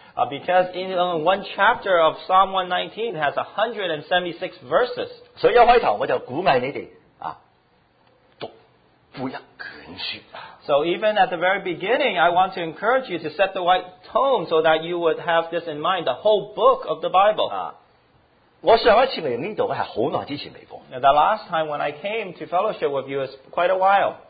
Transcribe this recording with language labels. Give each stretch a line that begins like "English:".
English: Because in one chapter of Psalm 119 has 176 verses.
Chinese: 所以一开头我就鼓励你们读背一卷书。
English: So even at the very beginning, I want to encourage you to set the right tone so that you would have this in mind, the whole book of the Bible.
Chinese: 我上一次来这里是很久之前来过。
English: Now the last time when I came to fellowship with you is quite a while.